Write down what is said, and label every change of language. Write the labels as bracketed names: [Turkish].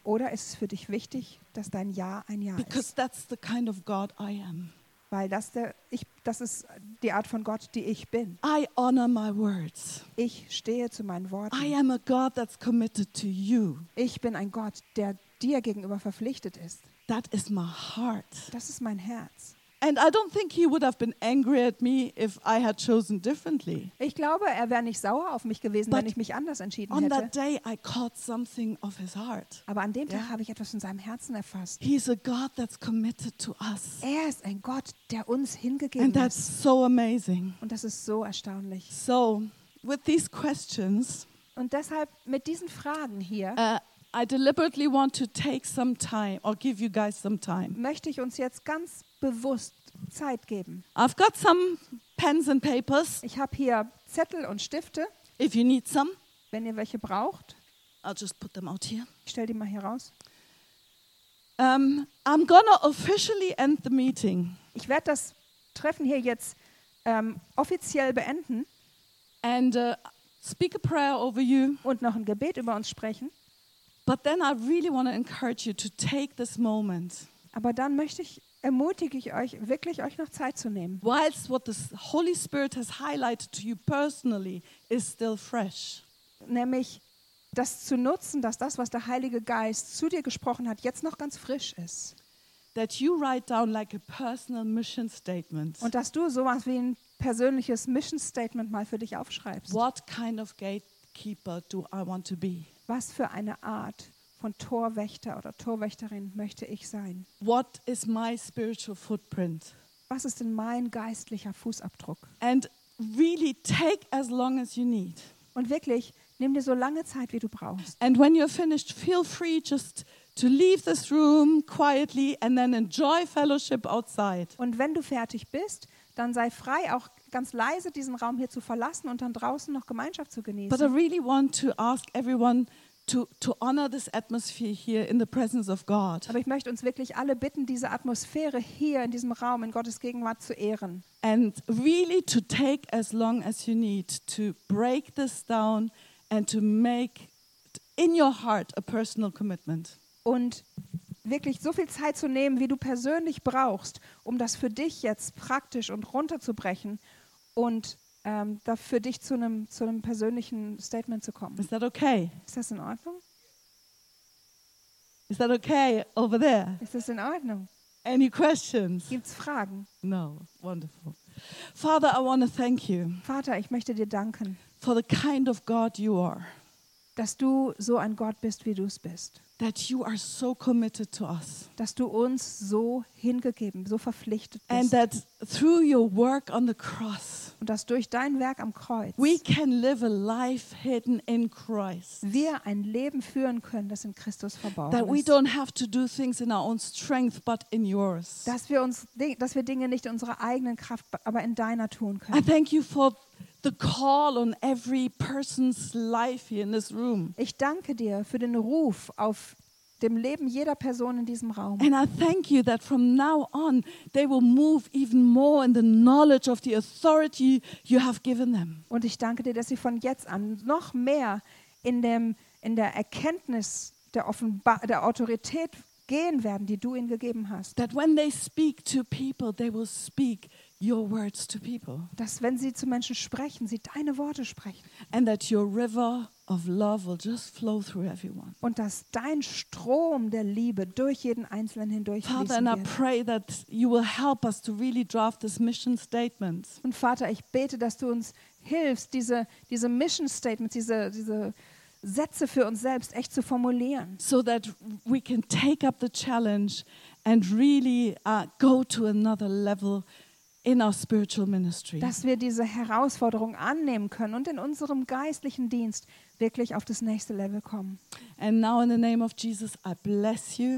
[German] Oder ist es für dich wichtig, dass dein Ja ein Ja ist? [English] Because that's the kind of God I am. [German] Weil das ist die Art von Gott, die ich bin. [English] I honor my words. [German] Ich stehe zu meinen Worten. [English] I am a God that's committed to you. [German] Ich bin ein Gott, der dir gegenüber verpflichtet ist. [English] That is my heart. [German] Das ist mein Herz. [English] And I don't think he would have been angry at me if I had chosen differently. [German] Ich glaube, er wäre nicht sauer auf mich gewesen, [English] but [German] wenn ich mich anders entschieden [English] on [German] hätte. [English] That day I caught something of his heart. [German] Aber an dem Tag habe ich etwas in seinem Herzen erfasst. [English] He's a God that's committed to us. [German] Er ist ein Gott, der uns hingegeben [English] and that's [German] ist. [English] So amazing. [German] Und das ist so erstaunlich. [English] So, with these questions, [German] und deshalb mit diesen Fragen hier, [English] I deliberately want to take some time or give you guys some time. [German] Möchte ich uns jetzt ganz bewusst Zeit geben. [English] I've got some pens and papers. [German] Ich habe hier Zettel und Stifte. [English] If you need some, [German] wenn ihr welche braucht, [English] I'll just put them out here. [German] Ich stell die mal hier raus. [English] I'm gonna officially end the meeting. [German] Ich werde das Treffen hier jetzt offiziell beenden. [English] And speak a prayer over you. [German] Und noch ein Gebet über uns sprechen. [English] But then I really want to encourage you to take this moment. [German] Aber dann möchte ich ermutige ich euch wirklich euch noch Zeit zu nehmen. [English] Whilst what the Holy Spirit has highlighted to you personally is still fresh. [German] Nämlich das zu nutzen, dass das, was der Heilige Geist zu dir gesprochen hat, jetzt noch ganz frisch ist. [English] That you write down like a personal mission statement. [German] Und dass du sowas wie ein persönliches Mission Statement mal für dich aufschreibst. [English] What kind of gatekeeper do I want to be? [German] Was für eine Art von Torwächter oder Torwächterin möchte ich sein? [English] What is my spiritual footprint? [German] Was ist denn mein geistlicher Fußabdruck? [English] And really take as long as you need. [German] Und wirklich, nimm dir so lange Zeit, wie du brauchst. [English] And when you're finished, feel free just to leave this room quietly and then enjoy fellowship outside. [German] Und wenn du fertig bist, dann sei frei, auch ganz leise diesen Raum hier zu verlassen und dann draußen noch Gemeinschaft zu genießen. [English] But I really want to ask everyone to honor this atmosphere here in the presence of God. [German] Aber ich möchte uns wirklich alle bitten, diese Atmosphäre hier in diesem Raum in Gottes Gegenwart zu ehren. [English] And really to take as long as you need to break this down and to make in your heart a personal commitment. [German] Und wirklich so viel Zeit zu nehmen, wie du persönlich brauchst, um das für dich jetzt praktisch und runterzubrechen und dafür dich zu einem persönlichen Statement zu kommen. [English] Is that okay? [German] Ist das in Ordnung? [English] Is that okay over there? [German] Ist das in Ordnung? [English] Any questions? [German] Gibt's Fragen? [English] No, wonderful. Father, I want to thank you. [German] Vater, ich möchte dir danken. [English] For the kind of God you are. [German] Dass du so ein Gott bist, wie du es bist. [English] That you are so committed to us. [German] Dass du uns so hingegeben, so verpflichtet bist. [English] And that through your work on the cross. [German] Und dass durch dein Werk am Kreuz. [English] We can live a life hidden in Christ. [German] Wir ein Leben führen können, das in Christus verborgen [English] that [German] ist. [English] That we don't have to do things in our own strength, but in yours. [German] Dass wir Dinge nicht in unserer eigenen Kraft, aber in deiner tun können. [English] I thank you for the call on every person's life here in this room. [German] Ich danke dir für den Ruf auf dem Leben jeder Person in diesem Raum. [English] And I thank you that from now on they will move even more in the knowledge of the authority you have given them. [German] Und ich danke dir, dass sie von jetzt an noch mehr in der Erkenntnis der Autorität gehen werden, die du ihnen gegeben hast. [English] That when they speak to people, they will speak your words to people. [German] Dass wenn sie zu Menschen sprechen, sie deine Worte sprechen. [English] And that your river of love will just flow through everyone. [German] Und dass dein Strom der Liebe durch jeden Einzelnen hindurchfließen wird. [English] Father, and I pray that you will help us to really draft this mission statements. [German] Und Vater, ich bete, dass du uns hilfst, diese Mission Statements, diese Sätze für uns selbst echt zu formulieren. [English] So that we can take up the challenge and really go to another level in our spiritual ministry. [German] Dass wir diese Herausforderung annehmen können und in unserem geistlichen Dienst wirklich auf das nächste Level kommen. [English] And now in the name of Jesus I bless you.